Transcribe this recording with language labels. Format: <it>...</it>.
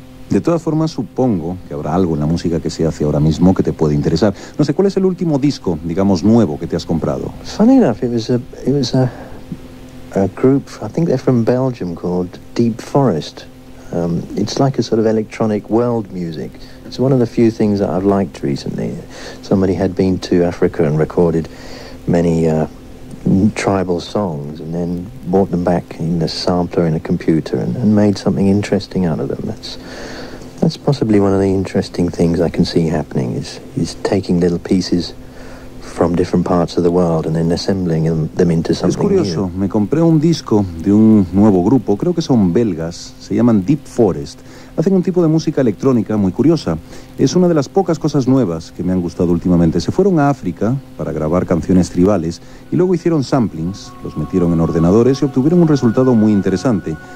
<es>De todas formas, supongo que habrá algo en la música que se hace ahora mismo que te puede interesar. No sé, ¿cuál es el último disco, digamos, nuevo que te has comprado?</es> <en>Funny enough, it was a group, I think they're from Belgium, called Deep Forest. It's like a sort of electronic world music. It's one of the few things that I've liked recently. Somebody had been to Africa and recorded many tribal songs and then brought them back in a sampler in a computer and made something interesting out of them. That's possibly one of the interesting things I can see happening is taking little pieces from different parts of the world and then assembling them into something.</en> <es>Es curioso,</es> <en>new.</en> <es>Me compré un disco de un nuevo grupo, creo que son belgas, se llaman Deep Forest. Hacen un tipo de música electrónica muy curiosa. Es una de las pocas cosas nuevas que me han gustado últimamente. Se fueron a África para grabar canciones tribales y luego hicieron samplings, los metieron en ordenadores y obtuvieron un resultado muy interesante.</es>